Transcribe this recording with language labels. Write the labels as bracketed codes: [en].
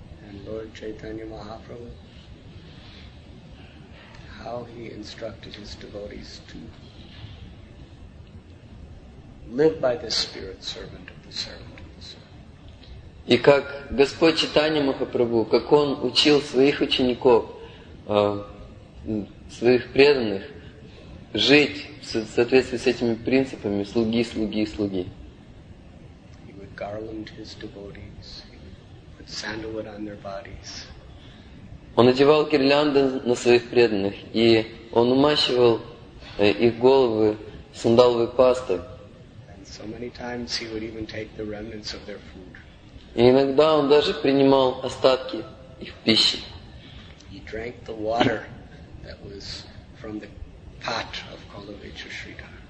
[en] And Lord Chaitanya Mahaprabhu, how he instructed his devotees to live by this spirit, servant of the servant. [ru] И как Господь Чайтанья Махапрабху, как Он учил своих учеников, своих преданных, жить в соответствии с этими принципами слуги, слуги, слуги. [en] He would garland his devotees, he would put sandalwood on their bodies. [ru] Он одевал гирлянды на своих преданных, и Он умащивал их головы сандаловой пастой. [en] And so many times he would even take the remnants of their food. [ru] И иногда он даже принимал остатки их пищи. [en] He drank the water that was from the pot of Kalavicha Sridhar.